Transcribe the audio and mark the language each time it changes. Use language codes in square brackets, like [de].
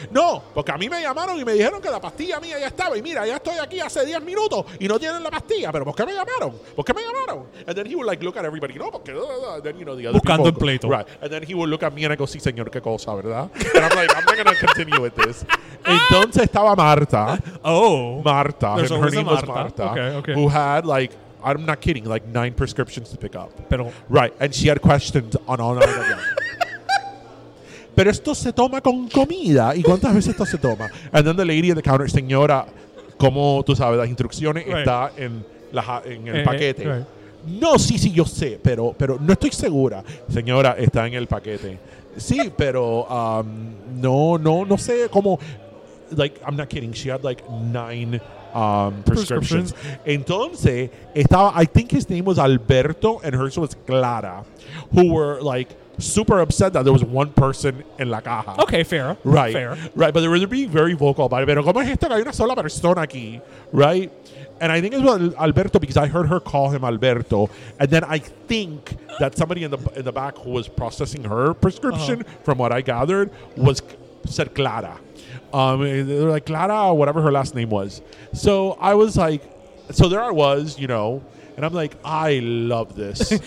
[es] No, porque a mí me llamaron y me dijeron que la pastilla mía ya estaba. Y mira, ya estoy aquí hace 10 minutos y no tienen la pastilla. Pero ¿por qué me llamaron? ¿Por qué me llamaron? [en] And then he would like look at everybody. [es] No, porque... [en] And then, you know, the other [es] buscando [en] people... [es] El plato. [en] Right. And then he would look at me and I go, [es] sí, señor, qué cosa, ¿verdad? [en] And I'm like, I'm not going to continue with this. [es] Entonces estaba Marta. Oh. [en] Marta. There's and her name Marta. Was Marta. Okay, okay. Who had like... I'm not kidding, like 9 prescriptions to pick up. [es] Pero, [en] right, and she had questions on all 9 of them. [es] Pero esto se toma con comida. ¿Y cuántas veces esto se toma? [en] And then the lady at the counter, [es] señora, como tú sabes, las instrucciones right. está en, la, en el paquete. Right. No, sí, sí, yo sé, pero no estoy segura. Señora, está en el paquete. Sí, pero no sé cómo. [en] Like, I'm not kidding, she had like 9 prescriptions. [es] Entonces, estaba, [en] I think his name was Alberto and hers was Clara, who were like super upset that there was one person in [es] la caja. [en] Okay, fair. Right. Fair. Right, but they were being very vocal about it. [es] Pero como es esto que hay una sola persona aquí, right? [en] And I think it was Alberto because I heard her call him Alberto. And then I think that somebody in the back who was processing her prescription, from what I gathered, was said Clara. They're like Clara, whatever her last name was. So I was like, so there I was, you know, and I'm like, I love this.